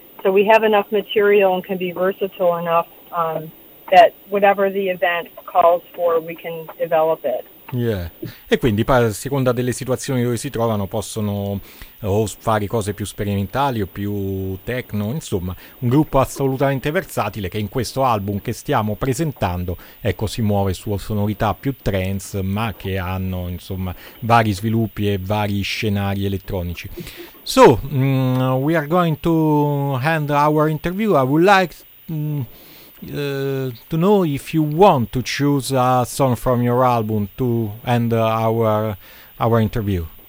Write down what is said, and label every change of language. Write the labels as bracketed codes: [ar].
[en] So we have enough material and can be versatile enough that whatever the event calls for, we can develop it. Yeah. [it] E quindi a seconda delle situazioni dove si trovano possono o fare cose più sperimentali o più techno, insomma un gruppo assolutamente versatile che in questo album che stiamo presentando, ecco, si muove su sonorità più trance, ma che hanno insomma vari sviluppi e vari scenari elettronici. [en] So we are going to end our interview. I would like to know if you want to choose a song from your album to end our interview.